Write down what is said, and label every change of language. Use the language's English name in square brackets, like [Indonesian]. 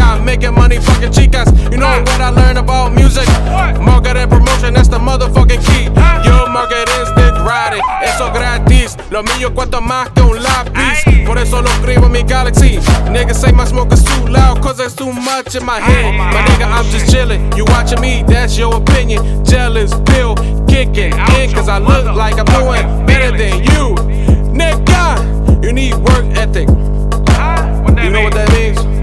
[English] I'm making money, fucking chicas. You know what I learned about music? Market and promotion, that's the motherfucking key. Your market is dick riding, [Spanish] eso gratis. Lo mío cuesta más que un lápiz. Por eso lo escribo en mi galaxy. [English] Niggas say my smoke is too loud, cause it's too much in my head. My nigga, I'm just chilling. You watching me, that's your opinion. Jealous, pill, kicking in, cause I look like I'm doing better than you. Nigga, you need work ethic. You know what that means?